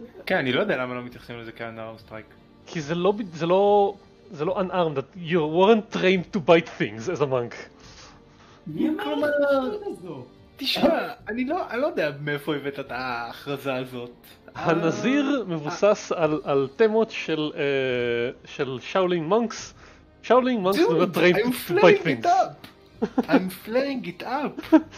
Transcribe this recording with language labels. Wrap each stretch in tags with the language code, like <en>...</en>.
<he>כן, אני לא יודע למה לא מתייחסים לזה כאנארם סטרייק. כי זה לא... זה לא... זה לא אנארם,</he> <en>that you weren't trained to bite things as a monk.</en> <he>מי אמר את זה הזו? תשמע, אני לא יודע מאיפה הבאת את ההכרזה הזאת. הנזיר מבוסס על תמות של... של שאולינג מונקס.</he> <en>שאולינג מונקס were not trained to bite things. I'm flaring it up!</en>